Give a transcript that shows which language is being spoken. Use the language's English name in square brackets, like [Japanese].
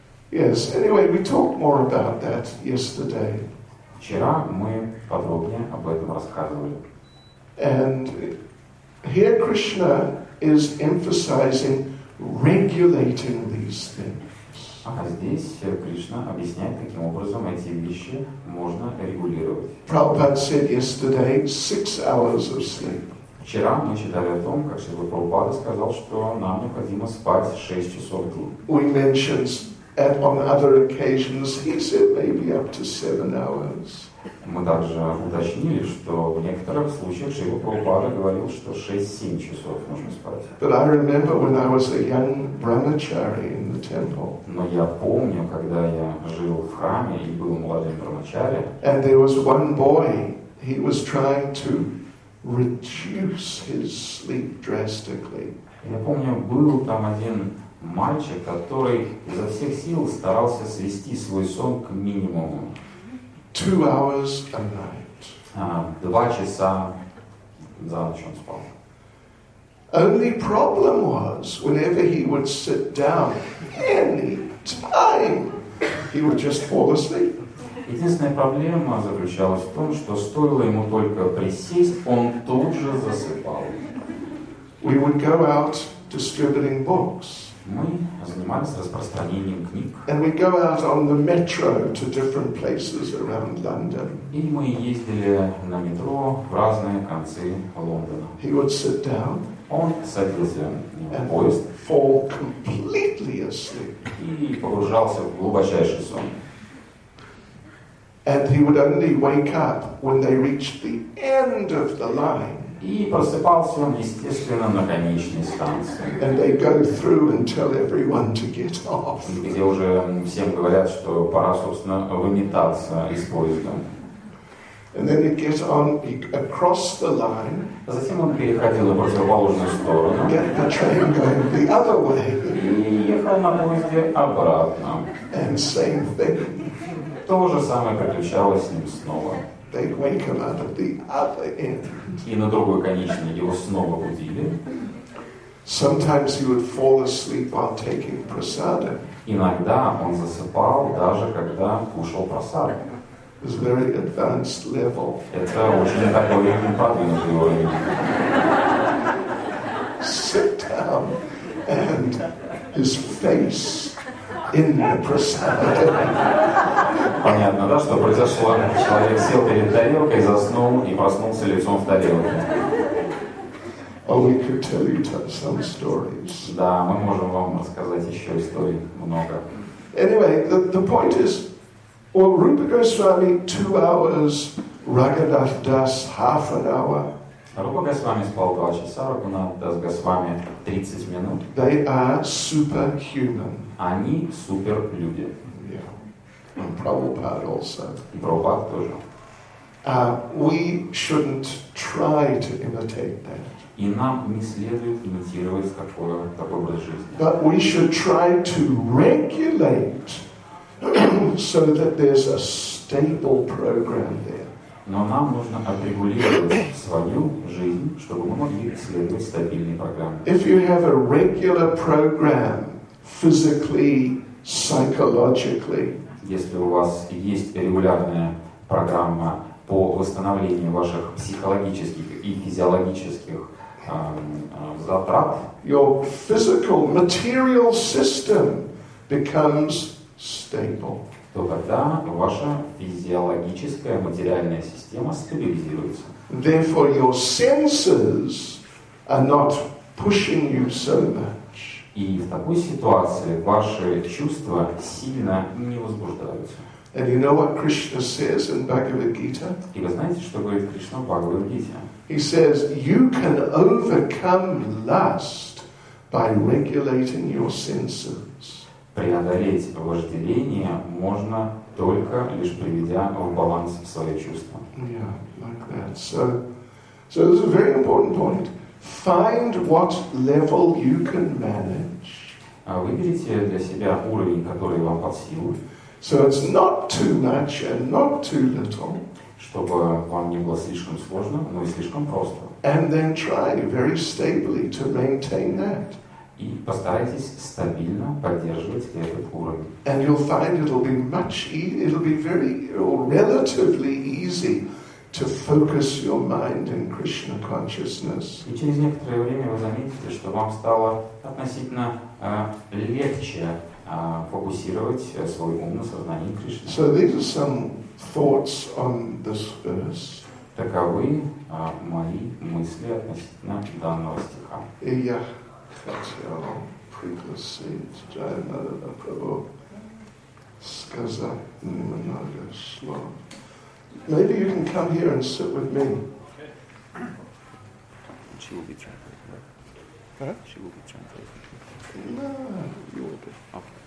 [English] Yes. Anyway, we talked more about that yesterday. [Russian] Вчера мы подробнее об этом рассказывали. [English] And here Krishna is emphasizing regulating these things. [Russian] А здесь Кришна объясняет, каким образом эти вещи можно регулировать. [English] Prabhupada said yesterday 6 hours of sleep. [Russian] Вчера мы читали о том, как Шрила Прабхупада сказал, что нам необходимо спать 6 часов в день. [English] We mentioned at on other occasions he said maybe up to 7 hours. [Russian] Мы также уточнили, что в некоторых случаях Шрила Прабхупада говорил, что 6-7 часов нужно спать. [English] But I remember when I was a young brahmachari in the temple. [Russian] Но я помню, когда я жил в храме и был молодым брахмачари. [English] And there was one boy, he was trying to reduce his sleep drastically. [Russian] Я помню, был там один мальчик, который изо всех сил старался свести свой сон к минимуму. [English] 2 hours a night. [Russian] 2 часа за ночь он спал. [English] Only problem was, whenever he would sit down, any time, he would just fall asleep. [Russian] Единственная проблема заключалась в том, что стоило ему только присесть, он тут же засыпал. [English] We would go out distributing books. [Russian] Мы занимались распространением книг. [English] And we go out on the metro to different places around London. [Russian] И мы ездили на метро в разные концы Лондона. [English] He would sit down. [Russian] Он садился на поезд. [English] Fall completely asleep. [Russian] И погружался в глубочайший сон. [English] And he would only wake up when they reached the end of the line. [Russian] И просыпался он, естественно, на конечной станции. [English] And they go through and tell everyone to get off. [Russian] Где уже всем говорят, что пора, собственно, выметаться из поезда. [English] And then he'd get on across the line. [Russian] А затем он переходил на противоположную сторону. [English] Get the train going the other way. [Russian] И ехал на поезде обратно. [English] And same thing. [Russian] То же самое приключалось с ним снова. [English] They wake him out of the other end. [Russian] И на другой конечной его снова будили. [English] Sometimes he would fall asleep while taking prasada. [Russian] Иногда он засыпал, даже когда кушал прасаду. [English] is a very advanced level. [Russian] Это очень такой неправильный уровень. [English] Sit down and his face in the prasada. [Russian] Понятно, да, что произошло? Человек сел перед тарелкой, заснул и проснулся лицом в тарелке. [English] Oh, we could tell you some stories. [Russian] Да, мы можем вам рассказать еще историй много. [English] Anyway, the point is, well, Rupa Goswami 2 hours, Raghunath Das 30 minutes. [Russian] Rupa Goswami spal [English] 2 hours, [Russian] Raghunath Das Goswami 30 minut. [English] They are superhuman. [Russian] Они суперлюди. [English] Yeah. And Prabhupada also. [Russian] И Прабхупада тоже. [English] We shouldn't try to imitate that. [Russian] И нам не следует имитировать такой образ жизни. [English] But we should try to regulate so that there's a stable program there. [Russian] Но нам нужно отрегулировать свою жизнь, чтобы мы могли следовать стабильной программе. [English] If you have a regular program physically, psychologically. [Russian] Если у вас есть регулярная программа по восстановлению ваших психологических и физиологических затрат, [English] your physical material system becomes stable. [Russian] То тогда ваша физиологическая материальная система стабилизируется. [English] Therefore, your senses are not pushing you so much. [Russian] И в такой ситуации ваши чувства сильно не возбуждаются. [English] And you know what Krishna says in Bhagavad Gita? [Russian] И вы знаете, что говорит Кришна в Бхагавад Гите? [English] He says, you can overcome lust by regulating your senses. [Russian] Преодолеть вожделение можно только лишь приведя в баланс свои чувства. [English] Yeah, like that. So this is a very important point. Find what level you can manage. [Russian] Выберите для себя уровень, который вам под силу. [English] So it's not too much and not too little. [Russian] Чтобы вам не было слишком сложно, но и слишком просто. [English] And then try very stably to maintain that. [Russian] И постарайтесь стабильно поддерживать этот уровень. [English] And you'll find relatively easy to focus your mind in Krishna consciousness. [Russian] И через некоторое время вы заметите, что вам стало относительно легче фокусировать свой ум на сознании Кришны. [English] So these are some thoughts on this verse. [Russian] Таковы мои мысли относительно данного стиха. И я хотел пригласить Джайнара Махапрабху сказать немного слов. [English] Maybe you can come here and sit with me. Okay. She will be translated. Huh? She will be translated. No, you will be. Okay.